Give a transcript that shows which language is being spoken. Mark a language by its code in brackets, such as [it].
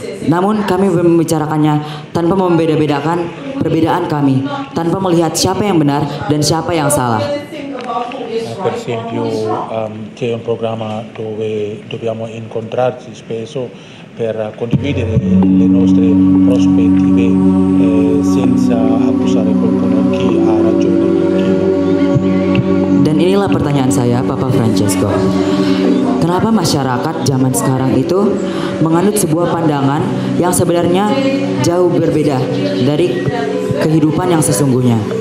[id] Namun kami membicarakannya tanpa membeda-bedakan perbedaan kami, tanpa melihat siapa yang benar dan siapa yang salah. [it] Per esempio, c'è un programma dove dobbiamo incontrarci spesso per condividere le nostre prospettive senza accusare qualcuno chi ha ragione. [id] Dan inilah pertanyaan saya, Papa Francesco. Kenapa masyarakat zaman sekarang itu menganut sebuah pandangan yang sebenarnya jauh berbeda dari kehidupan yang sesungguhnya?